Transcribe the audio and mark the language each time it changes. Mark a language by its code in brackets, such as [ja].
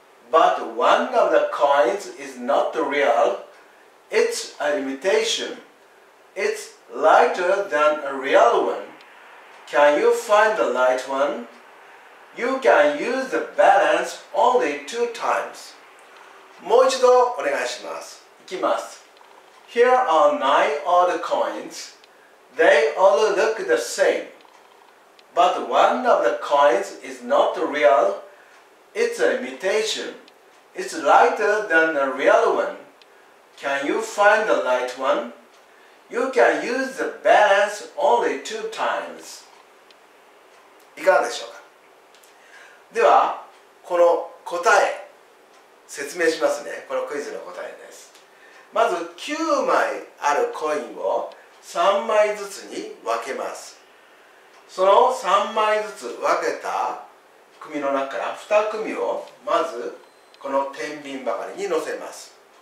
[en] But one of the coins is not real. It's an imitation. It's lighter than a real one. Can you find the light one? You can use the balance only two times. [ja] もう一度お願いします。いきます。 [en] Here are nine old coins. They all look the same. But one of the coins is not real. It's an imitation. It's lighter than a real one. Can you find the light one? You can use the balance only two times. [ja] いかがでしょうか? では、この答え、説明しますね。このクイズの答えです。まず9枚あるコインを3枚ずつに分けます。その3枚ずつ分けた組の中から2組をまずこの天秤ばかりに乗せます。